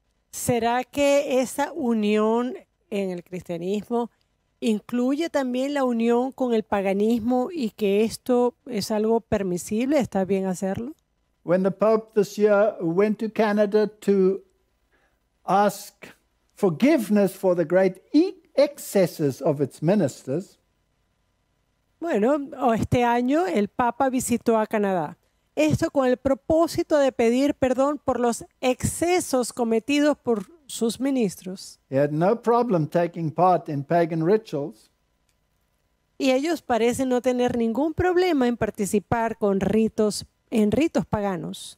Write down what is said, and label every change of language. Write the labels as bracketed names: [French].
[Spanish] ¿Será que esa unión en el cristianismo incluye también la unión con el paganismo y que esto es algo permisible, está bien hacerlo? [English] When the Pope this year went to Canada to ask forgiveness for the great excesses of its ministers. [Spanish] Bueno, este año el Papa visitó a Canadá. Esto con el propósito de pedir perdón por los excesos cometidos por sus ministros. [English] He had no problem taking part in pagan rituals. [Spanish] Y ellos parecen no tener ningún problema en participar en ritos paganos.